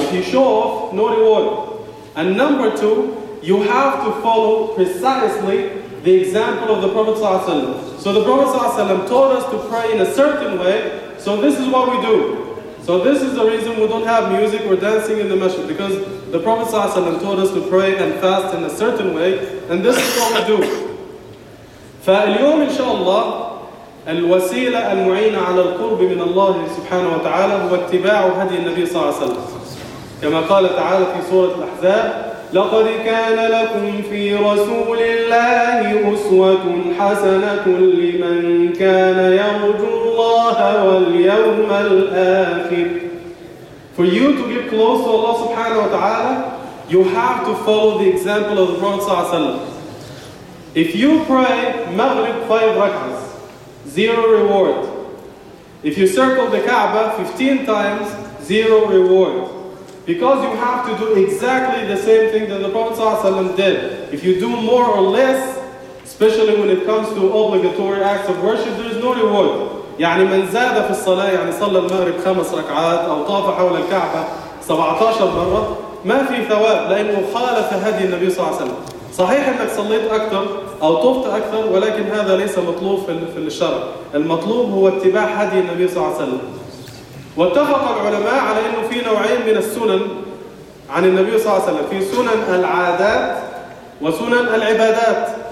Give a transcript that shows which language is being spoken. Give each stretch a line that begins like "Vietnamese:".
English: If you show off, no reward. And number two, you have to follow precisely the example of the Prophet sallallahu alaihi wasallam. So the Prophet sallallahu alaihi wasallam taught us to pray in a certain way, so this is what we do. So this is the reason we don't have music or dancing in the masjid, because the Prophet sallallahu alaihi wasallam taught us to pray and fast in a certain way, and this is what we do."
Arabic: فاليوم إن شاء الله الوسيلة المعينة على القرب من الله سبحانه وتعالى هو اتباع هدي النبي صلى الله عليه وسلم، كما قال تعالى في سورة الأحزاب: "لقد كان لكم في رسول الله أسوة حسنة لمن كان يرجو الله واليوم الآخر."
English: For you to get close to Allah subhanahu wa ta'ala, you have to follow the example of the Prophet sallallahu alaihi wasallam. If you pray Maghrib 5 rak'ahs, zero reward. If you circle the Kaaba 15 times, zero reward. Because you have to do exactly the same thing that the Prophet sallallahu alaihi wasallam did. If you do more or less, especially when it comes to obligatory acts of worship, there is no reward.
Arabic: يعني من زاد في الصلاة، يعني صلى المغرب خمس ركعات أو طاف حول الكعبة 17 مرة، ما في ثواب لأنه خالف هدي النبي صلى الله عليه وسلم. صحيح أنك صليت أكثر أو طفت أكثر، ولكن هذا ليس مطلوب في الشرع. المطلوب هو اتباع هدي النبي صلى الله عليه وسلم. واتفق العلماء على أنه في نوعين من السنن عن النبي صلى الله عليه وسلم: في سنن العادات وسنن العبادات.